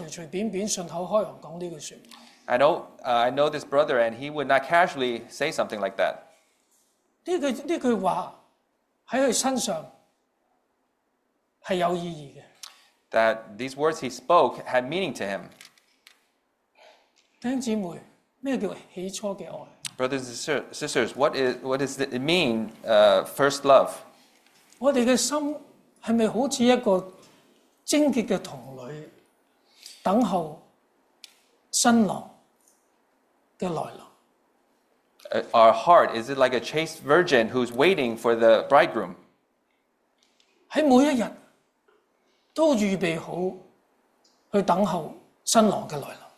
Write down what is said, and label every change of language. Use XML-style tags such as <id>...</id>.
<zh>弟兄姊妹,我知道这个弟兄,他不是随随便便顺口开口讲这句话。</zh> <en>I know this brother, and he would not casually say something like that.</en> <zh>这句话在他身上是有意义的,</zh> <en>that these words he spoke had meaning to him.</en> <zh>弟兄姊妹, 什么叫起初的爱?</zh> <en>Brothers and sisters, what does it mean, first love?</en> <zh>我们的心是不是好像一个贞洁的童女, 等候新郎的来临?</zh> <en>Our heart, is it like a chaste virgin who's waiting for the bridegroom?</en> <zh>在每一天都预备好去等候新郎的来临?</zh>